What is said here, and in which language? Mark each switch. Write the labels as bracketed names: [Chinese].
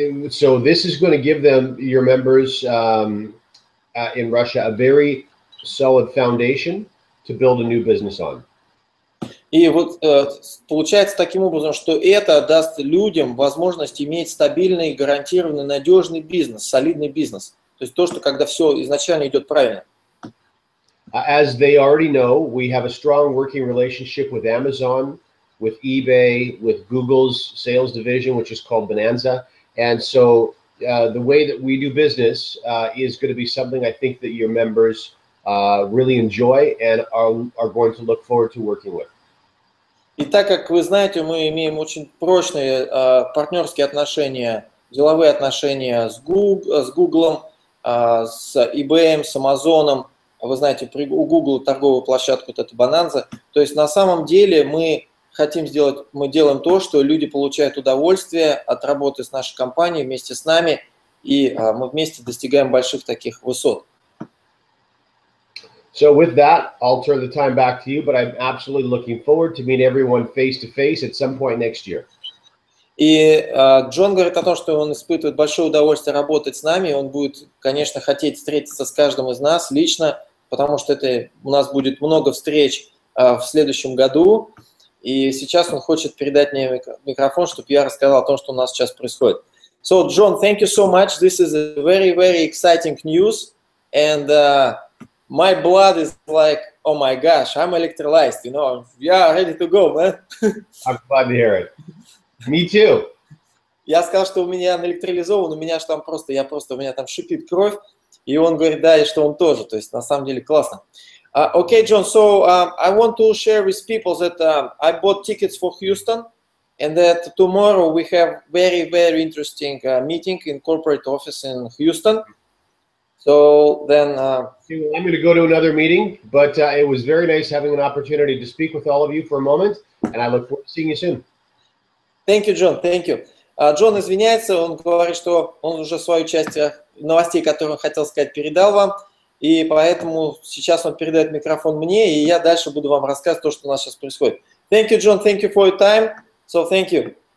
[English] So this is going to give them, your members in Russia, a very solid foundation to build a new business on. [Russian] И вот получается таким образом, что это даст людям возможность иметь стабильный, гарантированный, надежный бизнес, солидный бизнес. То есть то, что когда все изначально идет правильно. [English] As they already know, we have a strong working relationship with Amazon, with eBay, with Google's sales division, which is called Bonanza. And so the way that we do business is going to be something I think that your members really enjoy and are going to look forward to working with. [Russian] И так как вы знаете, мы имеем очень прочные партнерские отношения, деловые отношения с Google, с IBM, с Amazon, вы знаете, у Google торговую площадку, вот эта Bonanza. То есть на самом деле мы хотим сделать, мы делаем то, что люди получают удовольствие от работы с нашей компанией вместе с нами, и мы вместе достигаем больших таких высот. [English] So with that, I'll turn the time back to you, but I'm absolutely looking forward to meet everyone face to face at some point next year. [Russian] И Джон говорит о том, что он испытывает большое удовольствие работать с нами, он будет, конечно, хотеть встретиться с каждым из нас лично, потому что это у нас будет много встреч в следующем году, и сейчас он хочет передать мне микрофон, чтобы я рассказал о том, что у нас сейчас происходит. [English] So, John, thank you so much. This is a very, very exciting news, and my blood is like, oh my gosh, I'm electrolyzed, you know, yeah, ready to go, man. I'm glad to hear it. Me too. [Russian] Я сказал, что у меня наэлектролизован, у меня же там просто, я просто, у меня там шипит кровь, и он говорит, да, и что он тоже, то есть на самом деле классно. [English] Okay, John, so I want to share with people that I bought tickets for Houston, and that tomorrow we have very, very interesting meeting in corporate office in Houston. So then... I'm going to go to another meeting, but it was very nice having an opportunity to speak with all of you for a moment, and I look forward to seeing you soon. Thank you, John. Thank you. [Russian] Джон извиняется, он говорит, что он уже свою часть новостей, которые он хотел сказать, передал вам. И поэтому сейчас он передает микрофон мне, и я дальше буду вам рассказывать то, что у нас сейчас происходит. [English] Thank you, John. Thank you for your time. So, thank you.